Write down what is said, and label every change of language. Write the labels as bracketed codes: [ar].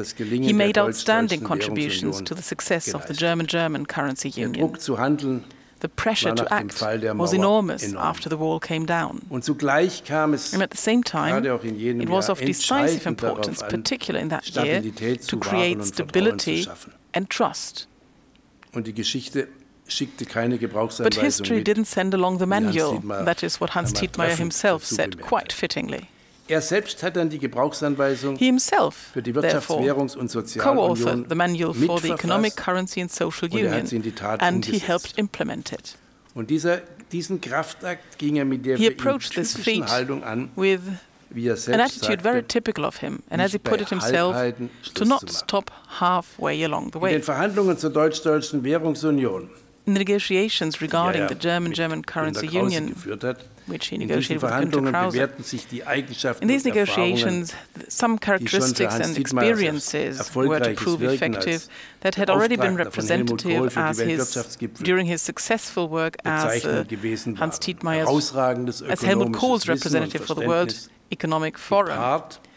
[en] He made outstanding contributions to the success of the German currency union. The pressure to act was enormous after the wall came down. [de] Und zugleich kam es, [en] and at the same time, it was of decisive importance, particularly in that year, to create stability and trust. [de] Und die Geschichte schickte keine Gebrauchsanweisung [en] but history [de] mit, [en] didn't send along the manual, that is what Hans Tietmeyer himself said quite fittingly. [de] Er selbst hat dann die Gebrauchsanweisung für die Wirtschafts-, Währungs- und Sozialunion mitverfasst und hat sie in die Tat umgesetzt. Und diesen Kraftakt ging er mit der für ihn typischen Haltung an, wie er selbst sagte, nicht bei Halbheiten Schluss zu machen. In den Verhandlungen zur deutsch-deutschen Währungsunion, [en] in the negotiations regarding the German currency union, which he negotiated with Günter Krause. In these negotiations, some characteristics and experiences were to prove effective that had already been representative as during his successful work as Hans Tietmeyer's, as Helmut Kohl's representative for the World Economic Forum.